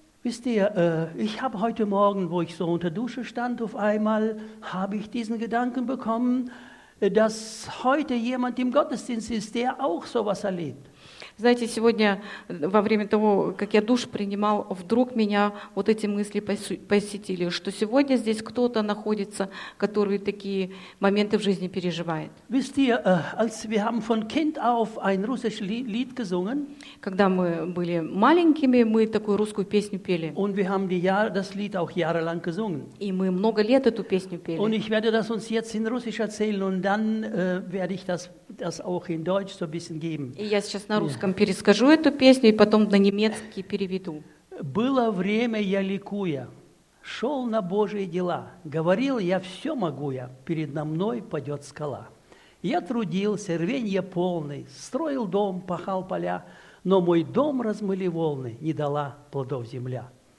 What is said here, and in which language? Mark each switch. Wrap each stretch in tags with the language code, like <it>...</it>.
<de>Wisst ihr, ich habe heute Morgen, wo ich so unter Dusche stand, auf einmal habe ich diesen Gedanken bekommen, dass heute jemand im Gottesdienst ist, der auch sowas erlebt.</de> <ru>Знаете, сегодня во время того, как я душ принимал, вдруг меня вот эти мысли посетили, что сегодня здесь кто-то находится, который такие моменты в жизни переживает.</ru> <de>Wisst ihr, als wir haben von Kind auf ein russisches Lied gesungen,</de> <ru>когда мы были маленькими, мы такую русскую песню пели.</ru> <de>Und wir haben das Lied auch jahrelang gesungen.</de> <ru>И мы много лет эту песню пели.</ru> <de>Und ich werde das uns jetzt in Russisch erzählen und dann werde ich das auch in Deutsch so ein bisschen geben.</de> <ru>И я сейчас на русском перескажу эту песню и потом на немецкий переведу. Было время, я ликуя, шел на Божьи дела, говорил я, все могу я, передо мной падет скала. Я трудился, рвенье полный, строил дом, пахал поля, но мой дом размыли волны, не дала плодов земля.</ru>